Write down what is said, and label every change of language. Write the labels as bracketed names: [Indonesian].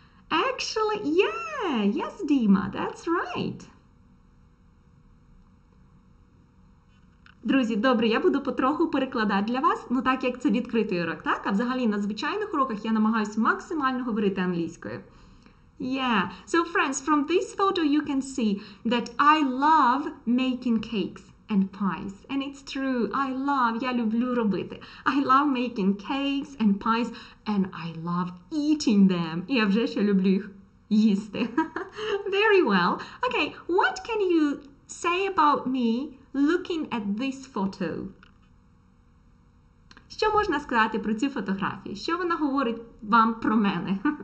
[English] Actually, yeah. Yes, Dima, that's right. [Ukrainian] Друзі, добре, я буду потроху перекладати для вас, ну так, як це відкритий урок, так? А взагалі, на звичайних уроках я намагаюся максимально говорити англійською. [English] Yeah, so friends, from this photo you can see that I love making cakes and pies. And it's true, I love, [Ukrainian] я люблю робити. [English] I love making cakes and pies, and I love eating them. [Ukrainian] І я вже ще люблю їх Їсти. [English] Very well. Okay, what can you say about me looking at this photo? [Ukrainian] Що можна сказати про цю фотографію? Що вона говорить вам про мене?